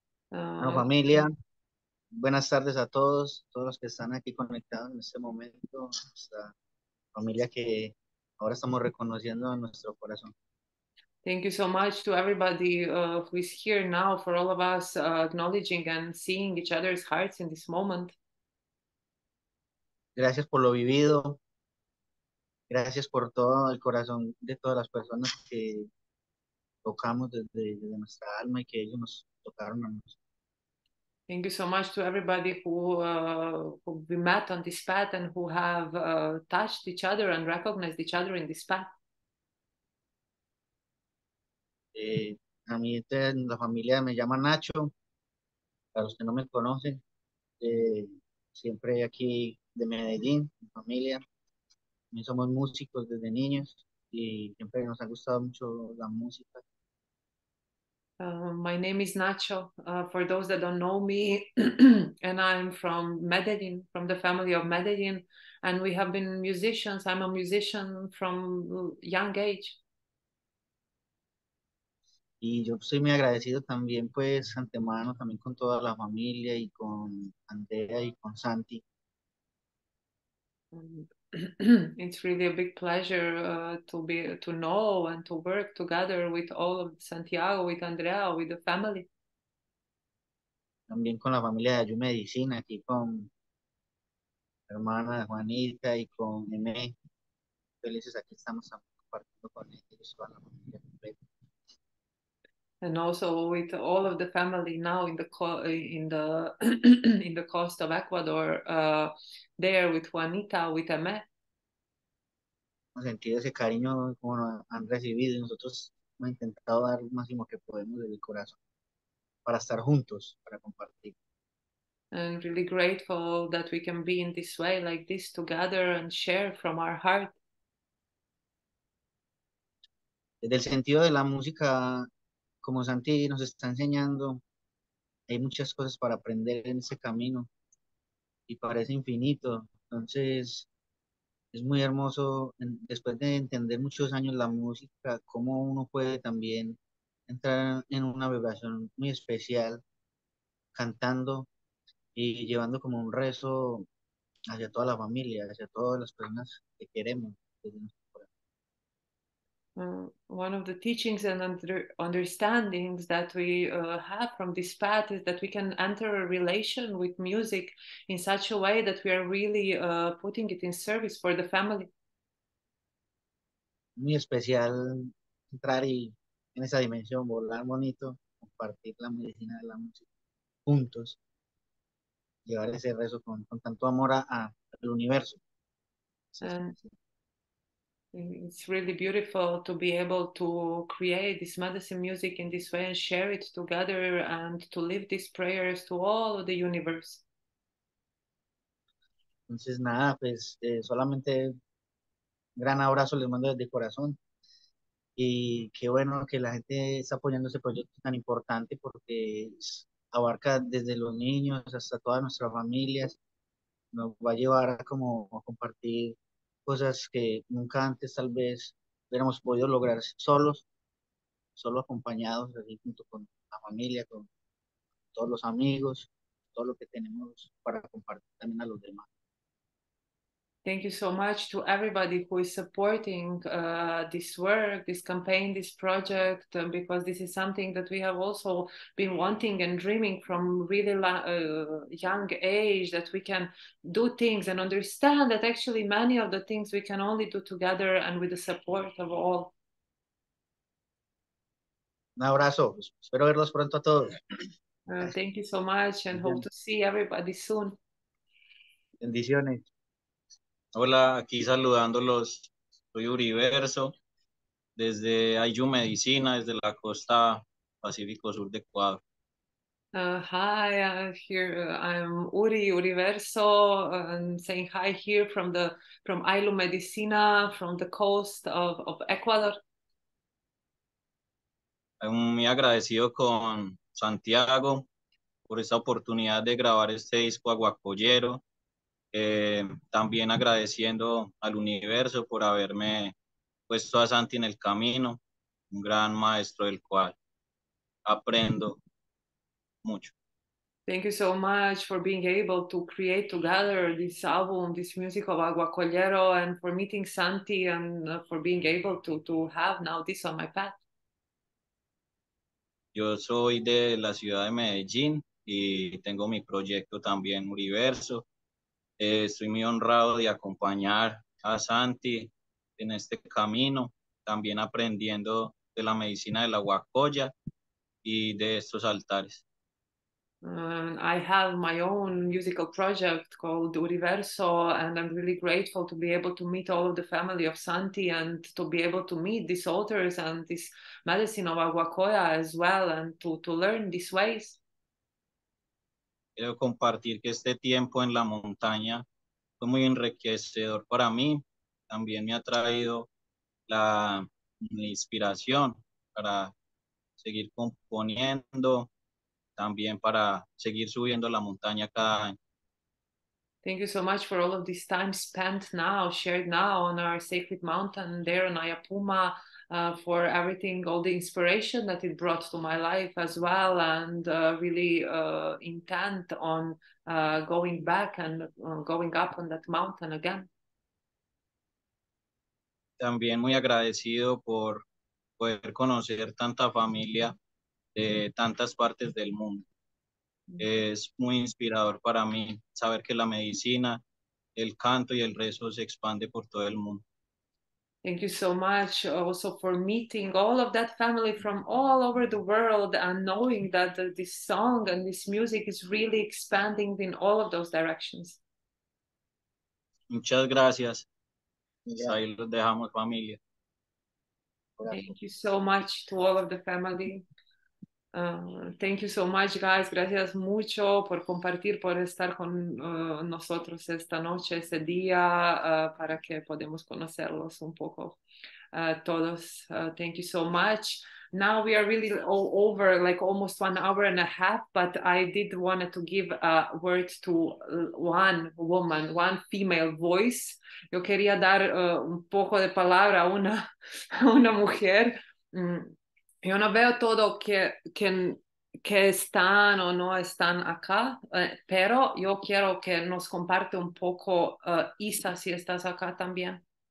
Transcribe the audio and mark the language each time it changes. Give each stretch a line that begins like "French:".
Spanish: Bueno, familia, buenas tardes a todos, los que están aquí conectados en este momento, nuestra familia que ahora estamos reconociendo en nuestro corazón.
English: Thank you so much to everybody who is here now, for all of us acknowledging and seeing each other's hearts in this moment.
Spanish: Gracias por lo vivido, gracias por todo el corazón de todas las personas que tocamos desde nuestra alma y que ellos nos tocaron a nosotros.
English: Thank you so much to everybody who we met on this path and who have touched each other and recognized each other in this path.
Spanish: A mí en la familia me llama Nacho. Para los que no me conocen, siempre aquí de Medellín, mi familia. También somos músicos desde niños y siempre nos ha gustado mucho la música.
English: My name is Nacho, for those that don't know me, and I'm from Medellin, from the family of Medellin, and we have been musicians. I'm a musician from young age.
Spanish: Y yo soy muy agradecido también, pues, antemano, también con toda la familia y con Andrea y con Santi.
English: It's really a big pleasure to know and to work together with all of Santiago, with Andrea, with the family.
Spanish: También con la familia de Ayu Medicina, aquí con hermana Juanita y con Emé. Felices, aquí estamos compartiendo con ellos, con la familia completa.
English: And also with all of the family now in the in the coast of Ecuador, there with Juanita, with Emé.
Spanish: Hemos sentido ese cariño como han recibido y nosotros hemos intentado dar lo máximo que podemos desde el corazón para estar juntos, para compartir.
English: And really grateful that we can be in this way, like this, together and share from our heart.
Spanish: Desde el sentido de la música, como Santi nos está enseñando, hay muchas cosas para aprender en ese camino y parece infinito. Entonces, Es muy hermoso, después de entender muchos años la música, cómo uno puede también entrar en una vibración muy especial, cantando y llevando como un rezo hacia toda la familia, hacia todas las personas que queremos.
English: One of the teachings and understandings that we have from this path is that we can enter a relation with music in such a way that we are really putting it in service for the family.
Spanish: Muy especial entrar y en esa dimensión, volar bonito, compartir la medicina de la música juntos, llevar ese rezo con tanto amor al universo.
English: It's really beautiful to be able to create this medicine music in this way and share it together and to leave these prayers to all of the universe.
Spanish: Entonces, nada, pues solamente gran abrazo les mando desde corazón. Y qué bueno que la gente está apoyando ese proyecto tan importante porque abarca desde los niños hasta todas nuestras familias. Nos va a llevar como a compartir cosas que nunca antes tal vez hubiéramos podido lograr solos, solo acompañados, así junto con la familia, con todos los amigos, todo lo que tenemos para compartir también a los demás.
English: Thank you so much to everybody who is supporting this work, this campaign, this project, because this is something that we have also been wanting and dreaming from really young age, that we can do things and understand that actually many of the things we can only do together and with the support of all.
Spanish: Un abrazo. Espero verlos pronto a todos.
English: Thank you so much and hope to see everybody soon.
Spanish: Bendiciones. Hola, aquí saludándolos, soy Uriverso, desde IU Medicina, desde la costa Pacífico Sur de Ecuador.
English: Hi, I'm Uri, Uriverso, and saying hi here from IU Medicina, from the coast of Ecuador.
Spanish: Muy agradecido con Santiago por esta oportunidad de grabar este disco Awakollero. También agradeciendo al universo por haberme puesto a Santi en el camino, un gran maestro del cual aprendo mucho.
English: Thank you so much for being able to create together this album, this music of Awakollero, and for meeting Santi and for being able to have now this on my path.
Spanish: Yo soy de la ciudad de Medellín y tengo mi proyecto también Universo. Estoy muy honrado de acompañar a Santi en este camino, también aprendiendo de la medicina de la guacoya y de estos altares.
English: I have my own musical project called Universo, and I'm really grateful to be able to meet all of the family of Santi and to be able to meet these altars and this medicine of aguacoya as well and to learn these ways.
Spanish: Quiero compartir que este tiempo en la montaña fue muy enriquecedor para mí. También me ha traído la inspiración para seguir componiendo, también para seguir subiendo la montaña cada año.
English: Thank you so much for all of this time spent now, shared now on our sacred mountain there on Ayapuma, for everything, all the inspiration that it brought to my life as well, and really intent on going back and going up on that mountain again.
Spanish: También muy agradecido por poder conocer tanta familia de tantas partes del mundo. Es muy inspirador para mí saber que la medicina, el canto y el rezo se expande por todo el mundo.
English: Thank you so much also for meeting all of that family from all over the world and knowing that this song and this music is really expanding in all of those directions.
Spanish: Muchas gracias. Yeah. Ahí los dejamos, familia.
English: Thank you so much to all of the family. Thank you so much, guys.
Spanish: Gracias mucho por compartir, por estar con nosotros esta noche, este día, para que podamos conocerlos un poco todos.
English: Thank you so much. Now we are really all over, like almost 1 hour and a half, but I did wanted to give a word to one woman, one female voice.
Spanish: Yo quería dar un poco de palabra a una mujer. Yo no veo todo que están o no están acá, pero yo quiero que nos comparte un poco, Isa, si estás acá también.